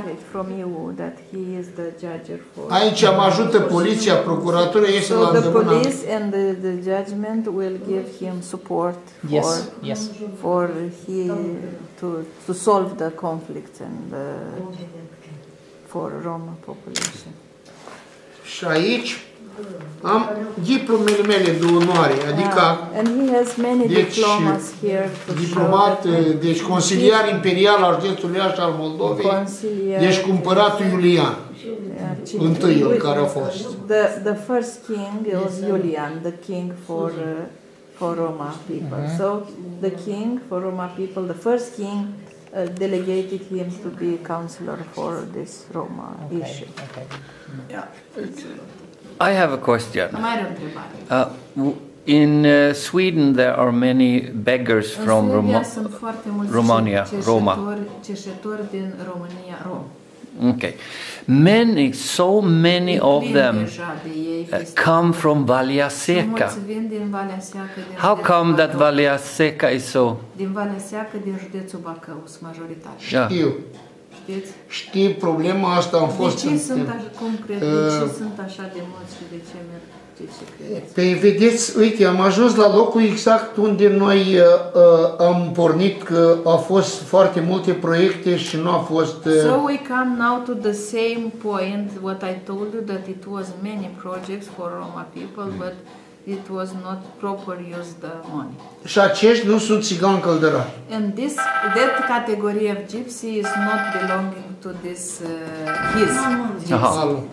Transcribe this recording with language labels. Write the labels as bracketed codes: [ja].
[en] From you that he is the judge for. [ro] Aici mă ajută poliția, procuratura, este [en] so [ro] la îndemână. [en] The police and the judgment will give him support for, yes, for he to solve the conflict and for Roma population. [ro] Și aici am diplomele mele de onoare, adică [en] and he has many diplomas here. [ro] Diplomat, deci consilier imperial al județului Iași al Moldovei. Consilier. Deci cumpăratul Iulian. Întâiul care a fost. [en] The first king was Iulian, the king for Roma people. Uh-huh. So the king for Roma people, the first king delegated him to be a counselor for this Roma issue. Okay. Okay. Yeah. I have a question. In Sweden there are many beggars from Romania, Roma. Okay. So many of them come from Valea Seca. How come that Valea Seca is so? Yeah. [ro] Știi, problema asta am fost... De ce sunt așa concret? De ce sunt așa de mulți și de ce merg? Păi vedeți, uite, am ajuns la locul exact unde noi am pornit, că au fost foarte multe proiecte și nu a fost... [en] So we come now to the same point, what I told you, that it was many projects for Roma people, but it was not proper used the money. [ro] Și acești nu sunt țigani căldărari. [en] And this, that category of gypsy is not belonging to this, his gypsy.